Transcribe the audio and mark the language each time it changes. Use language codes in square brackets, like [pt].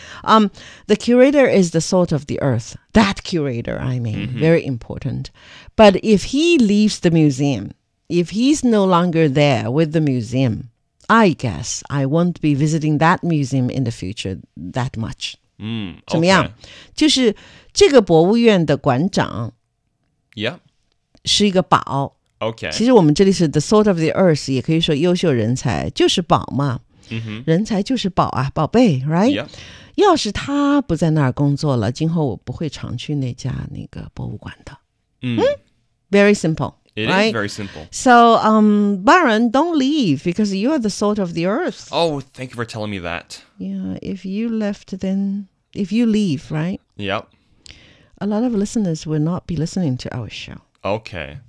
[en] The curator is the salt of the earth. That curator, I mean, very important. But if he leaves the museum, if he's no longer there with the museum, I guess I won't be visiting that museum in the future that much. Okay. [zh] 怎么样? 就是这个博物院的馆长 是一个宝。 [en] Okay. [zh] 其实我们这里是 [en] the salt of the earth, [zh] 也可以说优秀人才就是宝嘛。人才就是宝啊,宝贝, right? [en] Yep. [zh] 要是他不在那儿工作了, 今后我不会常去那家那个博物馆的。 [en] Very simple. It right? is very simple. So, Baron, don't leave because you are the salt of the earth. Oh, thank you for telling me that. Yeah, if you leave, right? Yep. A lot of listeners will not be listening to our show. Okay.